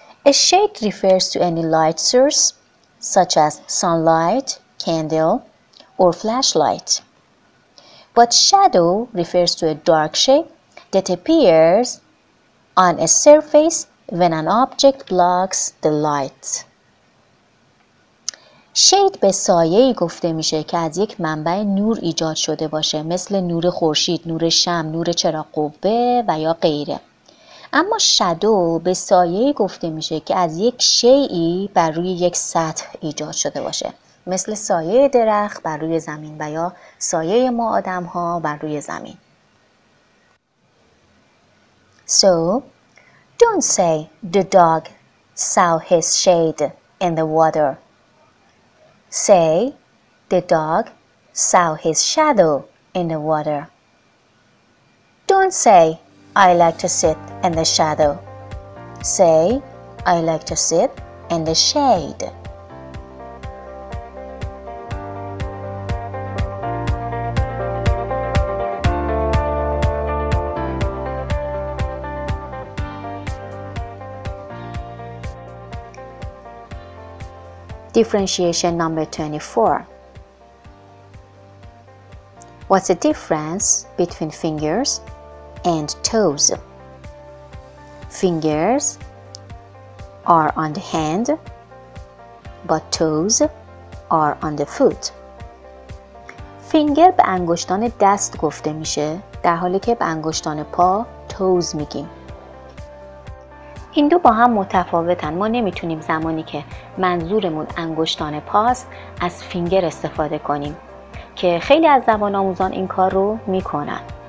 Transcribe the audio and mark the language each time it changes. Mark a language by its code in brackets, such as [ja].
[en] A shade refers to any light source, such as sunlight, candle, or flashlight. But shadow refers to a dark shape that appears on a surface when an object blocks the light. [fa] شید به سایه‌ای گفته میشه که از یک منبع نور ایجاد شده باشه، مثل نور خورشید، نور شمع، نور چراغ قوه و یا غیره. اما شادو به سایه‌ای گفته میشه که از یک شیئی بر روی یک سطح ایجاد شده باشه، مثل سایه درخت بر روی زمین و یا سایه ما آدم‌ها بر روی زمین. [en] So, don't say the dog saw his shade in the water. Say, the dog saw his shadow in the water. Don't say, I like to sit in the shadow. Say, I like to sit in the shade. Differentiation number 24. What's the difference between fingers and toes? Fingers are on the hand, but toes are on the foot. [fa] Finger به انگشتان دست گفته میشه، در حالی که به انگشتان پا toes میگیم. این دو با هم متفاوتن. ما نمیتونیم زمانی که منظورمون انگشتان پاست از فینگر استفاده کنیم، که خیلی از زبان آموزان این کار رو میکنن.